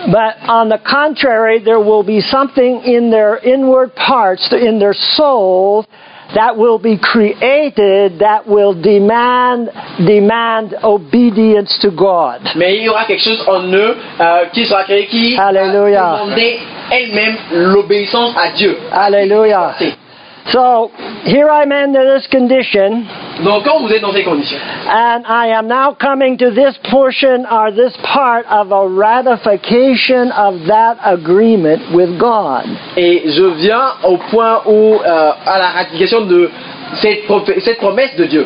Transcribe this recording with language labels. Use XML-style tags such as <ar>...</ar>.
<en>But on the contrary, there will be something in their inward parts, in their soul, that will be created, that will demand obedience to God.</en> <fr>Mais il y aura quelque chose en eux qui sera créé, qui va demander elle-même l'obéissance à Dieu.</fr> <en>Alléluia. So, here I'm in this condition.</en> <fr>Donc, quand vous êtes dans ces conditions.</fr> <en>And I am now coming to this portion or this part of a ratification of that agreement with God.</en> <fr>Et je viens au point où à la ratification de cette promesse de Dieu.</fr>